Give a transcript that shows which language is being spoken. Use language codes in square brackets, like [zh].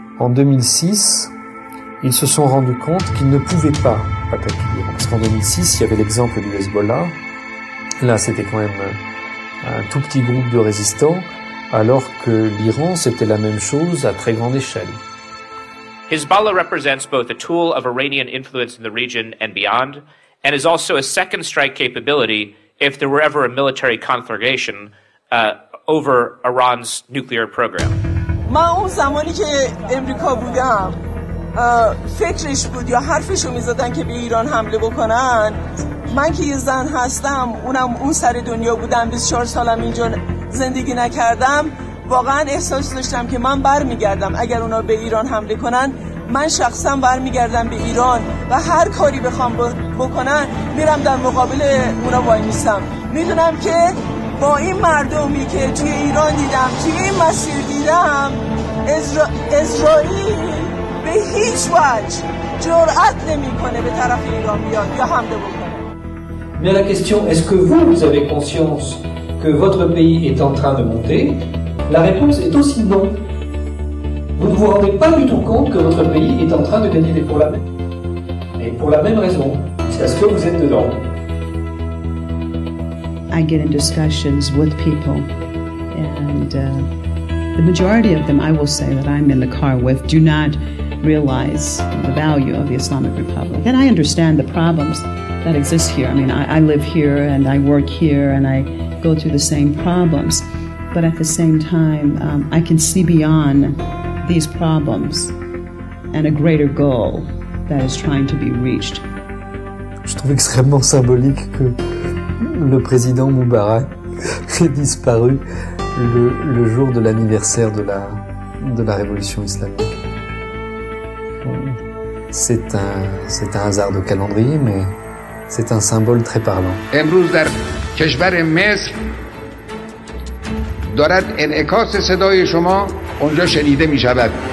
[fr] En 2006, ils se sont rendus compte qu'ils ne pouvaient pas attaquer l'Iran. Parce qu'en 2006, il y avait l'exemple du Hezbollah. Là, c'était quand même un tout petit groupe de résistants, alors que l'Iran, c'était la même chose à très grande échelle. [en] Hezbollah represents both a tool of Iranian influence in the region and beyond, and is also a second strike capability if there were ever a military conflagration over Iran's nuclear program. [fa] من اون زمانی که امریکا بودم فکرش بود یا حرفشو میزدن که به ایران حمله بکنن، من که یه زن هستم اونم اون سر دنیا بودم، 24 سالم اینجا زندگی نکردم، واقعا احساس داشتم که من برمیگردم اگر اونا به ایران حمله کنن، من شخصا برمیگردم به ایران و هر کاری بخوام بکنن میرم در مقابل اونا وای میستم. میدونم که با این مردمی که توی ایران دیدم، توی این مسیر دیدم، اسرائیل به هیچ وجه جرأت نمیکنه به طرف ایران بیاد یا حمله بکنه. [fr] Mais la question est-ce que vous avez conscience que votre pays est en train de monter? La réponse est aussi non. Vous ne vous rendez pas du tout compte que votre pays est en train de gagner des problèmes. Et pour la même raison, c'est parce que vous êtes dedans. [en] I get in discussions with people, and the majority of them, I will say that I'm in the car with, do not realize the value of the Islamic Republic. And I understand the problems that exist here. I mean, I live here, and I work here, and I go through the same problems. But at the same time, I can see beyond these problems and a greater goal that is trying to be reached. [fr] Je trouve extrêmement symbolique que le président Moubarak ait disparu le jour de l'anniversaire de la révolution islamique. C'est un hasard de calendrier, mais c'est un symbole très parlant. [fa] دارد انعکاس صدای شما اونجا شنیده می شود.